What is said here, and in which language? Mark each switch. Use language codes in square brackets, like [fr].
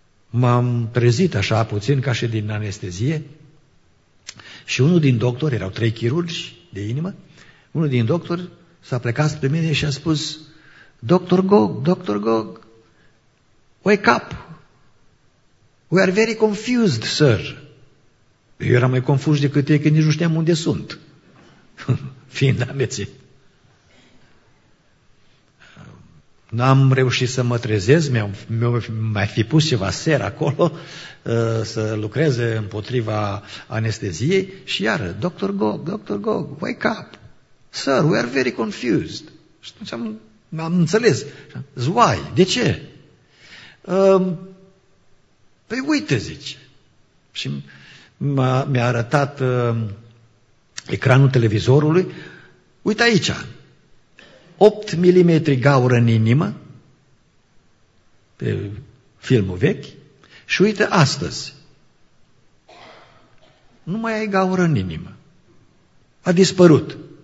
[ro] M-am trezit așa puțin ca și din anestezie și unul din doctori, erau trei chirurgi de inimă, unul din doctori s-a plecat spre mine și a spus, Dr. [en] Gog, Dr. Gog, wake up, we are very confused, sir. [ro] Eu eram mai confuz decât ei, că nici nu știam unde sunt, fiind amețit. N-am reușit să mă trezesc, mi-au mai fi pus ceva ser acolo să lucreze împotriva anesteziei și iară, Dr. [en] Gog, Dr. Gog, wake up, sir, we are very confused. [ro] Și atunci am înțeles, [en] why, [ro] de ce? Păi uite, zice, și mi-a arătat ecranul televizorului, uite aici, 8 mm gaură în inimă, pe filmul vechi, și uite astăzi, nu mai ai gaură în inimă, a dispărut.